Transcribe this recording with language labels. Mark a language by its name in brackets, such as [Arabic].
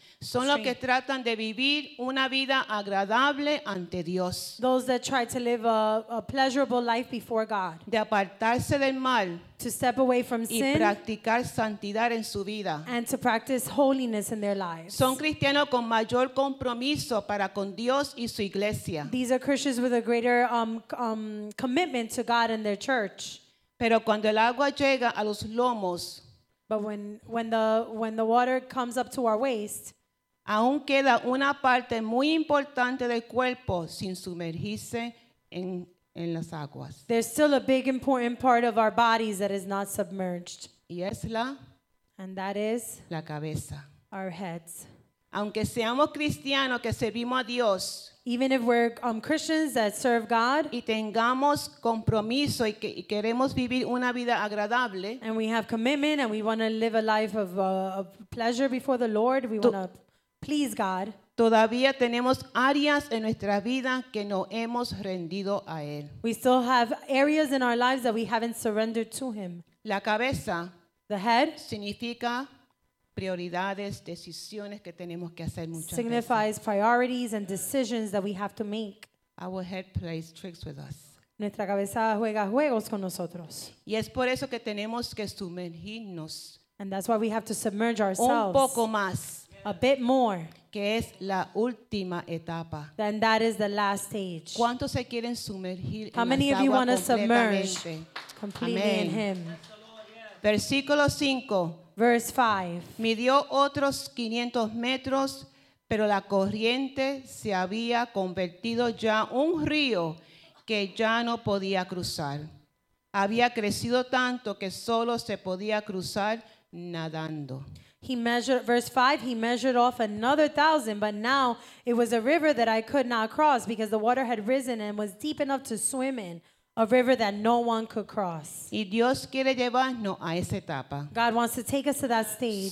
[Spanish] Son los que tratan de vivir una vida agradable ante Dios. [English] Those that try to live a pleasurable life before God. [Spanish] De apartarse del mal. [English] To step away from [Spanish] y [English] sin. [Spanish] Y practicar santidad en su vida. [English] And to practice holiness in their lives. [Spanish] Son cristianos con mayor compromiso para con Dios y su iglesia. [English] These are Christians with a greater commitment to God and their church. [Spanish] Pero cuando el agua llega a los lomos. [English] But when the water comes up to our waist, [Spanish] aún queda una parte muy importante del cuerpo sin sumergirse en las aguas. [English] There's still a big important part of our bodies that is not submerged. [Spanish] Y es la, [English] and that is [Spanish] la cabeza. [English] Our heads. [Spanish] Aunque seamos cristianos que servimos a Dios, [English] even if we're Christians that serve God, [Spanish] y tengamos compromiso y queremos vivir una vida agradable, [English] and we have commitment and we want to live a life of pleasure before the Lord, we want to please God. [Spanish] Todavía tenemos áreas en nuestra vida que no hemos rendido a Él. [English] We still have areas in our lives that we haven't surrendered to Him. [Spanish] La cabeza, [English] the head, [Spanish] significa prioridades, decisiones que tenemos que hacer muchas veces. [English] Signifies priorities and decisions that we have to make. Our head plays tricks with us. [Spanish] Nuestra cabeza juega juegos con nosotros. Y es por eso que tenemos que sumergirnos. [English] And that's why we have to submerge ourselves. [Spanish] Un poco más. [English] A bit more. [Spanish] Que es la última etapa. [English] Then that is the last stage. [Spanish] ¿Cuántos se quieren sumergir? [English] How many of you want to submerge completely in Him? [Spanish] Versículo 5. [English] Verse 5. [Spanish] Midió otros 500 metros, pero la corriente se había convertido ya un río que ya no podía cruzar. Había crecido tanto que solo se podía cruzar nadando. [English] He measured, verse 5, he measured off another 1,000, but now it was a river that I could not cross because the water had risen and was deep enough to swim in. A river that no one could cross. [Spanish] Y Dios quiere llevarnos a esa etapa. [English] God wants to take us to that stage.